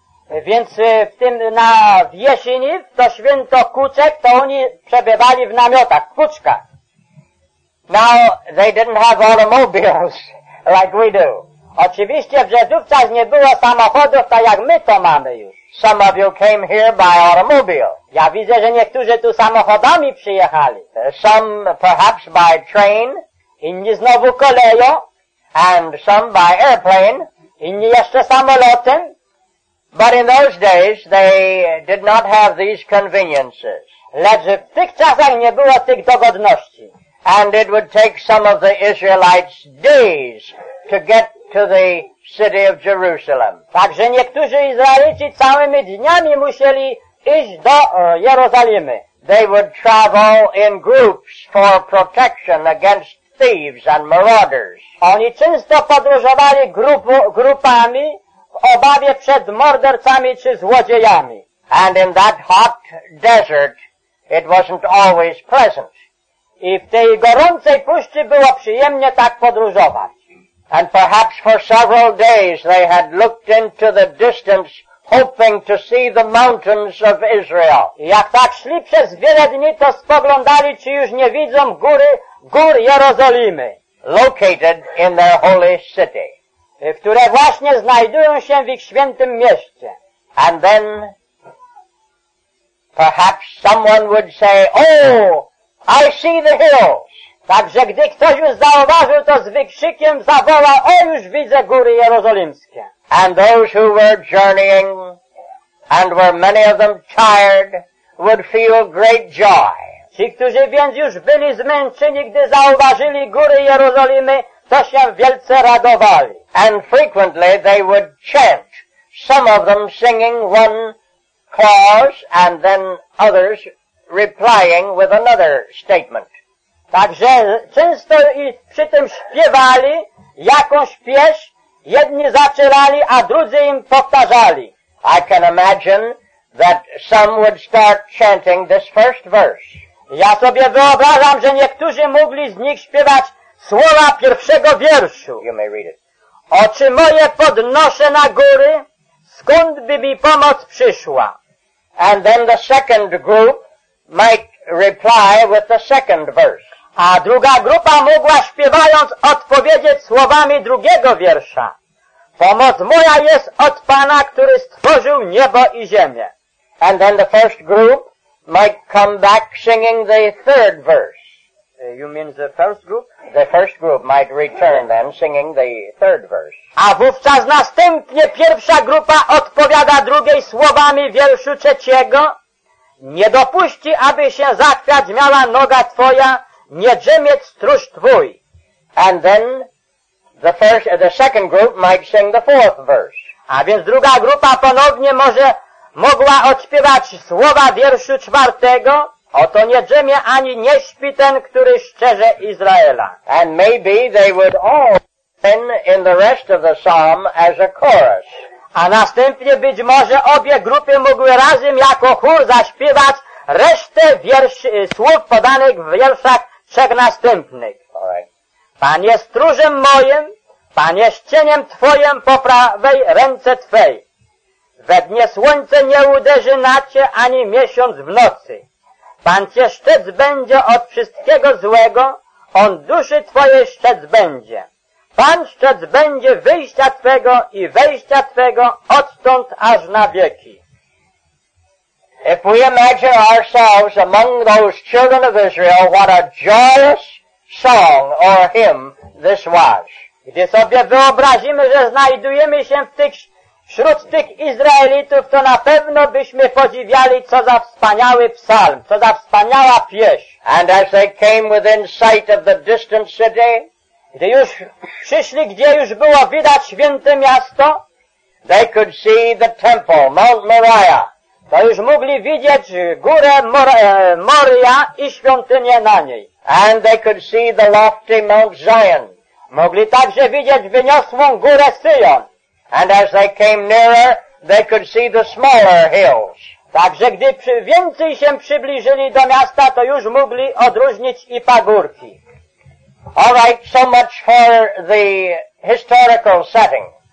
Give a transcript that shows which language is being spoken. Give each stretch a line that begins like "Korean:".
Polish: Więc w tym, na jesieni, w to święto kuczek, to oni przebywali w namiotach, w kuczkach.
English: Now, they didn't have automobiles. Like we do.
Polish: Oczywiście w Żydówcach nie było samochodów, tak jak my to mamy już.
English: Some of you came here by automobile.
Polish: Ja widzę, że niektórzy tu samochodami przyjechali.
English: Some perhaps by train.
Polish: Inni znowu koleją.
English: And some by airplane.
Polish: Inni jeszcze samolotem.
English: But in those days they did not have these conveniences.
Polish: Lecz w tych czasach nie było tych dogodności.
English: And it would take some of the Israelites days to get to the city of Jerusalem.
Polish: Także niektórzy Izraelici całymi dniami musieli iść do Jerozolimy.
English: They would travel in groups for protection against thieves and marauders.
Polish: Oni często podróżowali grupami w obawie przed mordercami czy złodziejami.
English: And in that hot desert, it wasn't always pleasant.
Polish: I w tej gorącej puszczy było przyjemnie tak podróżować.
English: And perhaps for several days they had looked into the distance hoping to see the mountains of Israel.
Polish: I jak tak szli przez wiele dni, to spoglądali, czy już nie widzą gór Jerozolimy.
English: Located in their holy city.
Polish: Które właśnie znajdują się w ich świętym mieście.
English: And then perhaps someone would say, oh, I see the hills.
Polish: Także gdy ktoś już zauważył, to z wykrzykiem zawoła, o, już widzę góry jerozolimskie.
English: And those who were journeying, and were many of them tired, would feel great joy.
Polish: Ci, którzy więc już byli zmęczeni, gdy zauważyli góry Jerozolimy, to się wielce radowali.
English: And frequently they would chant, some of them singing one clause, and then others replying with another statement.
Polish: Także często i przy tym śpiewali jakąś pieśń, Jedni zaczynali, a drudzy im powtarzali.
English: I can imagine that some would start chanting this first verse.
Polish: Ja sobie wyobrażam, że niektórzy mogli z nich śpiewać słowa pierwszego wierszu.
English: You may read it.
Polish: Oczy moje podnoszę na góry, skąd by mi pomoc przyszła?
English: And then the second group might reply with the second verse.
Polish: A druga grupa mogła śpiewając odpowiedzieć słowami drugiego wiersza. Pomoc moja jest od Pana, który stworzył niebo i ziemię.
English: And then the first group might come back singing the third verse. You mean the first group? The first group might return then singing the third verse.
Polish: A wówczas następnie pierwsza grupa odpowiada drugiej słowami wierszu trzeciego. Nie dopuści, aby się zachwiać miała noga twoja, nie drzemieć stróż twój.
English: And then the second group might sing the fourth verse.
Polish: A więc druga grupa ponownie może mogła odśpiewać słowa wierszu czwartego. Oto nie drzemie ani nie śpi ten, który szczerze Izraela.
English: And maybe they would all sing in the rest of the psalm as a chorus.
Polish: A następnie być może obie grupy mogły razem jako chór zaśpiewać resztę słów podanych w wierszach trzech następnych.
English: Alright.
Polish: Pan jest stróżem moim, Pan jest cieniem Twoim po prawej ręce Twej. We dnie słońce nie uderzy na Cię ani miesiąc w nocy. Pan Cię szczec będzie od wszystkiego złego, On duszy Twojej szczec będzie. Pan szczec będzie wyjścia Twego i wejścia Twego odtąd aż na wieki.
English: If we imagine ourselves among those children of Israel, what a joyous song or hymn this was.
Polish: Gdy sobie wyobrazimy, że znajdujemy się wśród tych Izraelitów, to na pewno byśmy podziwiali, co za wspaniały psalm, co za wspaniała pieśń.
English: And as they came within sight of the distant city,
Polish: gdy już przyszli, gdzie już było widać święte miasto,
English: they could see the temple, Mount Moriah.
Polish: To już mogli widzieć górę Moria i świątynię na niej.
English: And they could see the lofty Mount Zion.
Polish: Mogli także widzieć wyniosłą górę Syjon.
English: And as they came nearer, they could see the smaller hills.
Polish: Także gdy więcej się przybliżyli do miasta, to już mogli odróżnić i pagórki.
English: All right, so much for the historical setting.